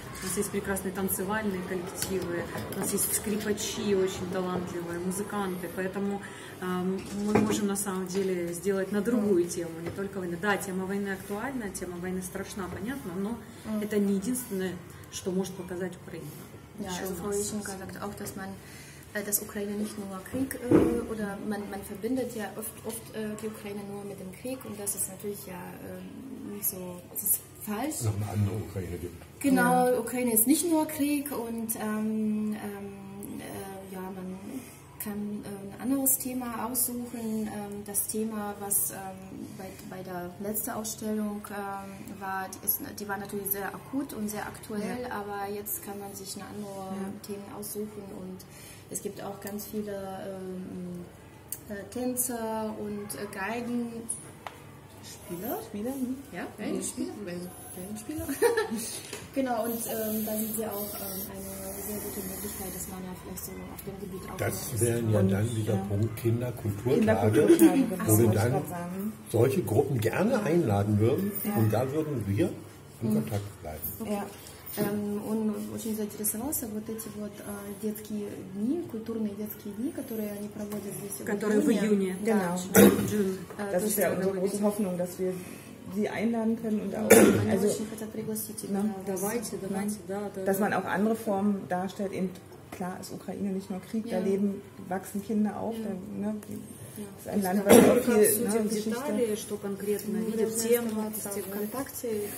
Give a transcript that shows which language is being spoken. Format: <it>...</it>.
<ru>У нас есть прекрасные танцевальные коллективы, у нас есть скрипачи очень талантливые, музыканты, поэтому мы можем на самом деле сделать на другую тему, не только войны. Да, тема войны актуальна, тема войны страшна, понятно, но это не единственное, что может показать Украина. Да,</ru> <de>dass Ukraine nicht nur Krieg oder man verbindet ja oft die Ukraine nur mit dem Krieg und das ist natürlich ja nicht so, das ist falsch. Noch eine andere Ukraine gibt. Genau, ja. Ukraine ist nicht nur Krieg und ja, man kann ein anderes Thema aussuchen. Das Thema, was bei der letzten Ausstellung war, die war natürlich sehr akut und sehr aktuell, ja. Aber jetzt kann man sich eine andere Themen aussuchen und es gibt auch ganz viele Tänzer und Geigen. Spieler? Ja, Geigenspieler. Genau, und da sind sie auch eine sehr gute Möglichkeit, dass man ja vielleicht so auf dem Gebiet auch. Das wären ja dann wieder Punkt Kinderkulturtage, wo wir dann solche Gruppen gerne einladen würden und da würden wir in Kontakt bleiben. Okay. Ja.</de> <ru>Он очень заинтересовался вот эти вот детские дни, культурные детские дни, которые они проводят здесь в июне. Которые в июне. Да. Это наша большая надежда, что мы их</ru> <de>einladen können und auch</de> <ru>also очень хотят пригласить их. Давайте, да.</ru> <de>Dass man auch andere Formen darstellt, eben klar, ist Ukraine nicht nur Krieg, da leben wachsen Kinder auf, ne? Ja. Ein Land, was auch viel, ne, Geschichte.</de> <ru>Детали, что конкретно, ну, видят тему, в контакте,</ru>